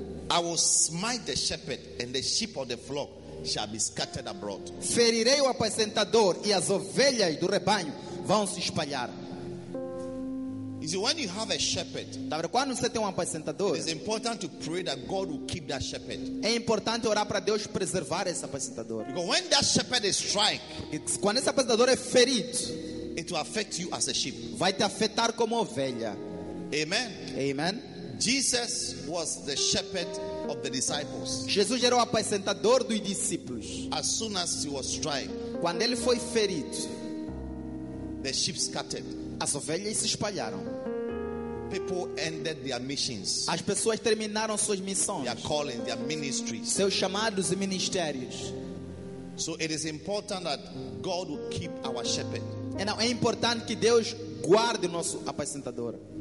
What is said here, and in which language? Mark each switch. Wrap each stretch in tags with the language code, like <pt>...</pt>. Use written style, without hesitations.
<en>I will smite the shepherd and the sheep of the flock shall be scattered abroad.</en> <pt>Ferirei o apacentador e as ovelhas do rebanho vão se espalhar.</pt> <en>You see, when you have a shepherd,</en> <pt>tá vendo? Quando você tem um apacentador,</pt> <en>it's important to pray that God will keep that shepherd.</en> <pt>É importante orar para Deus preservar esse apacentador.</pt> <en>Because when that shepherd is striked,</en> <pt>quando esse apacentador é ferido,</pt> <en>it will affect you as a sheep.</en> <pt>Vai te afetar como ovelha.</pt> <en>Amen.</en> <pt>Amen.</pt> <en>Jesus was the shepherd of the disciples.</en> <pt>Jesus era o apacentador dos discípulos.</pt> <en>As soon as he was striked,</en> <pt>quando ele foi ferido,</pt> <en>the sheep scattered.</en> <pt>As ovelhas se espalharam.</pt> <en>People ended their missions.</en> <pt>As pessoas terminaram suas missões.</pt> <en>Their calling, their ministries.</en> <pt>Seus chamados e ministérios.</pt> <en>So it is important that God will keep our shepherd.</en> <pt>Então, é importante que Deus guarde o nosso apacentador.</pt>